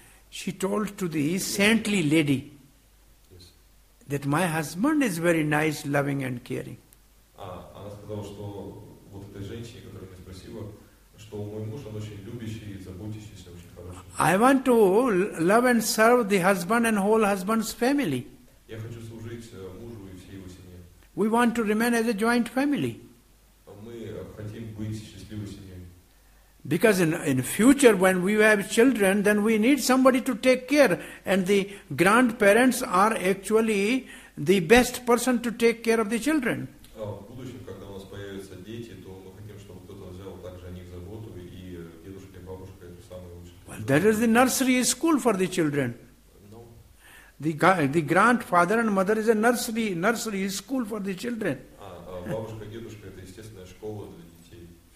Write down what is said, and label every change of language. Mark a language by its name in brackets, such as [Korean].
[English] She told to the saintly lady yes. that my husband is very nice, loving and caring. [Russian] Она сказала, что вот этой женщине, которая меня спросила, что мой муж, он очень любящий, заботящийся, очень хороший. [English] I want to love and serve the husband and whole husband's family. [Russian] Я хочу служить мужу. [English] We want to remain as a joint family. [Russian] Мы хотим быть счастливой семьей. [English] Because in future when we have children, then we need somebody to take care, and the grandparents are actually the best person to take care of the children. [Russian] В будущем, когда у нас появятся дети, то мы хотим, чтобы кто-то взял также о них заботу, и дедушка и бабушка это самые лучшие. [English] Well, that is the nursery school for the children. The grandfather and mother is a nursery school for the children. [Russian] Бабушка, дедушка, это естественная школа для детей.